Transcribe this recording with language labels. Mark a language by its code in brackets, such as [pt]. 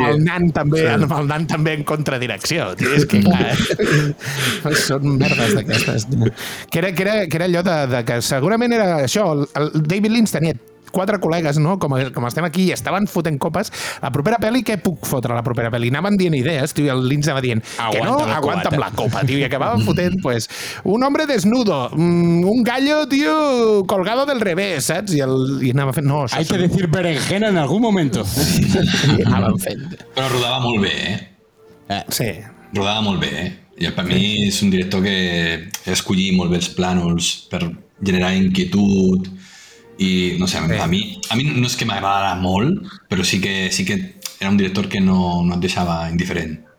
[ca] Amb el nan també en contradirecció. Tio, és que, clar, són merdes d'aquestes. Que era allò de que segurament era això, el David Lynch tenia quatre col·legues, no? Com estem aquí i estaven fotent copes. La propera pel·li, què puc fotre a la propera pel·li? Anaven dient idees, tio, i el Lynch anava dient que no, aguanta'm la copa, tio, i acabava fotent, pues, [es] un hombre desnudo, un gallo, tio, colgado del revés, [ca] saps? I anava fent, no, [es] hay que decir berenjena en algún momento. [ca] I anaven fent. Però rodava molt bé, eh? Sí. Rodava molt bé, eh? I per mi és un director que escollí molt bé els plànols per generar inquietud, i no sé, a mi no és que m'agradara molt, però sí que era un director que no et deixava indiferent.